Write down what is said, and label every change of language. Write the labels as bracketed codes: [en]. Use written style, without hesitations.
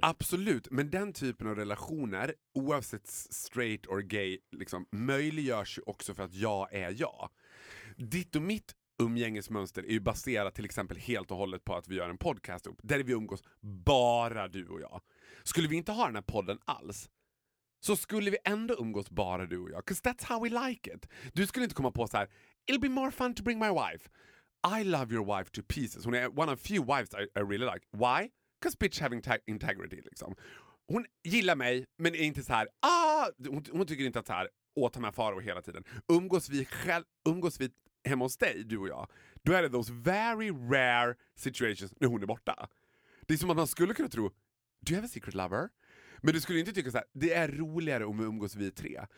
[sv] Absolut, men den typen av relationer, oavsett [en] straight or gay, [sv] liksom, möjliggörs ju också för att jag är jag. Ditt och mitt umgängesmönster är ju baserat till exempel helt och hållet på att vi gör en podcast upp, där vi umgås bara du och jag. Skulle vi inte ha den här podden alls, så skulle vi ändå umgås bara du och jag. [en] Because that's how we like it. [sv] Du skulle inte komma på så här: [en] it'll be more fun to bring my wife. I love your wife to pieces. [sv] Hon är [en] one of few wives I really like. Why? Because bitch having integrity, liksom. [sv] Hon gillar mig, men är inte så här, ah, hon tycker inte att så här, åt mig faror hela tiden. Umgås vi hemma hos dig, du och jag, då är det [en] those very rare situations [sv] när hon är borta. Det är som att man skulle kunna tro, [en] do you have a secret lover? [sv] Men du skulle inte tycka så här, det är roligare om vi umgås vi tre.